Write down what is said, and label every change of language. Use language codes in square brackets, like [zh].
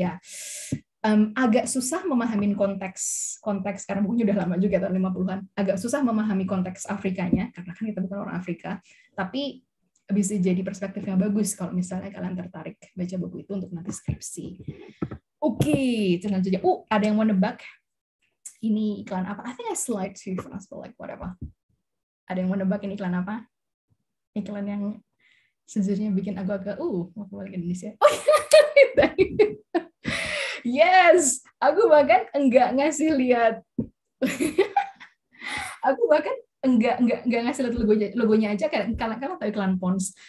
[id] Ya agak susah memahami konteks karena bukunya udah lama juga, tahun 50-an. Agak susah memahami konteks Afrikanya, karena kan kita bukan orang Afrika. Tapi bisa jadi perspektif yang bagus kalau misalnya kalian tertarik baca buku itu untuk nanti skripsi. Oke, jalan saja. Ada yang mau nebak? Ini iklan apa? [en] I think I slide too fast, but like whatever. [id] Ada yang mau nebak ini iklan apa? Iklan yang sejujurnya bikin aku balik Indonesia. [en] Oh, yeah. Yes, [id] aku bahkan enggak ngasih lihat. Aku bahkan enggak ngasih lihat logonya aja, kalau tahu iklan Pons.